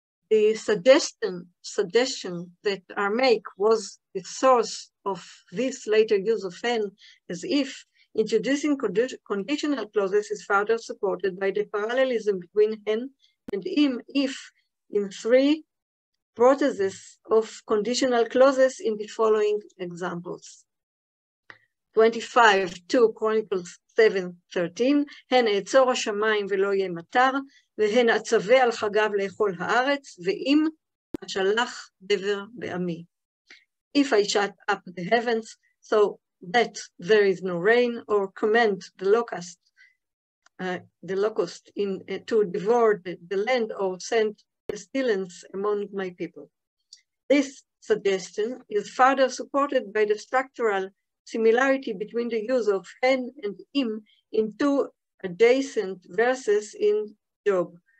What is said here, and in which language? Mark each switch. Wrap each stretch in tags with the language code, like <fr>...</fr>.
<en>The suggestion that Aramaic was the source of this later use of hen as if, introducing conditional clauses is further supported by the parallelism between hen and if in three proteges of conditional clauses in the following examples.</en> <he>25, 2 Chronicles 7, 13, הן אעצור השמיים ולא יהיה מטר, והן עצבי על חגיו לאכול הארץ, ואם השלח דבר בעמי.</he> <en>If I shut up the heavens, so that there is no rain, or command the locust, to devour the land, or send pestilence among my people. This suggestion is further supported by the structural similarity between the use of hen and im in two adjacent verses in Job.</en>